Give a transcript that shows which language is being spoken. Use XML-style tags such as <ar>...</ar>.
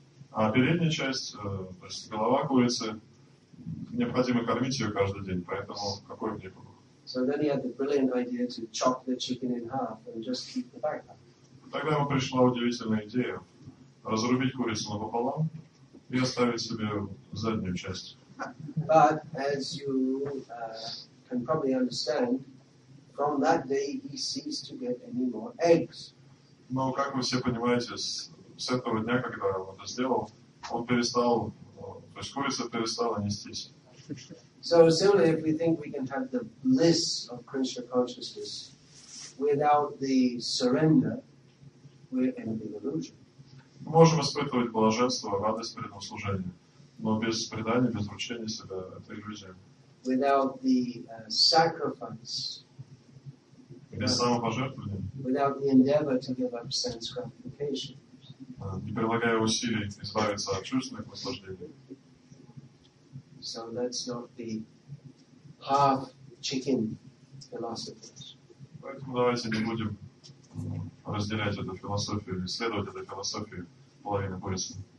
<ru>А передняя часть, то есть голова курицы, необходимо кормить ее каждый день, поэтому какой мне покой?</ru> <en>So then he had the brilliant idea to chop the chicken in half and just keep the back half.</en> <ru>Тогда ему пришла удивительная идея разрубить курицу напополам и оставить себе заднюю часть.</ru> <en>But as you can probably understand, from that day, he ceased to get any more eggs.</en> <ru>Но как вы все понимаете, с этого дня, когда он это сделал, он перестал, то есть курица перестала нестись.</ru> <en>So similarly, if we think we can have the bliss of Krishna consciousness without the surrender, we're in the illusion.</en> <ru>Мы можем испытывать блаженство, радость перед служением, но без предания, без вручения себя, это иллюзия.</ru> <en>Without the sacrifice.</en> <ru>Без самопожертвования.</ru> <en>Without the endeavor to give up sense gratification.</en> <ru>Не прилагая усилий избавиться от чувственных наслаждений.</ru> <en>So that's not the half chicken philosophy.</en> <ru>Поэтому давайте не будем разделять эту философию, исследовать эту философию половины курицы.</ru>